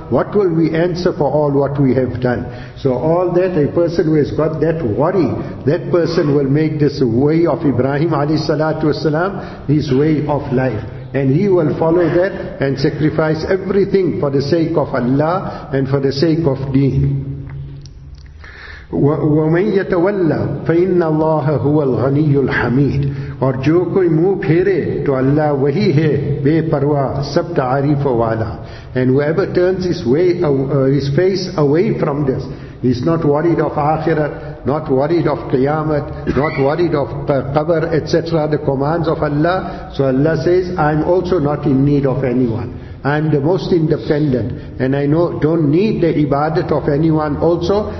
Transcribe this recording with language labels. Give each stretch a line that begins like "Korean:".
English: What will we answer for all what we have done? So all that, a person who has got that worry, that person will make this way of Ibrahim alayhi salatu wasalam his way of life. And he will follow that and sacrifice everything for the sake of Allah and for the sake of deen.
Arabic: وَمَنْ يَتَوَلَّ فَإِنَّ اللَّهَ هُوَ الْغَنِيُّ الْحَمِيدُ
Urdu: اور جو کوئی منہ پھیرے تو اللہ وہی ہے بے پرواہ سب تعریف والا.
English: And whoever turns his face away from this, he's not worried of akhirat, not worried of qiyamah, not worried of qabr, etc., the commands of Allah. So Allah says, I'm also not in need of anyone. I am the most independent, and I know don't need the ibadat of anyone also.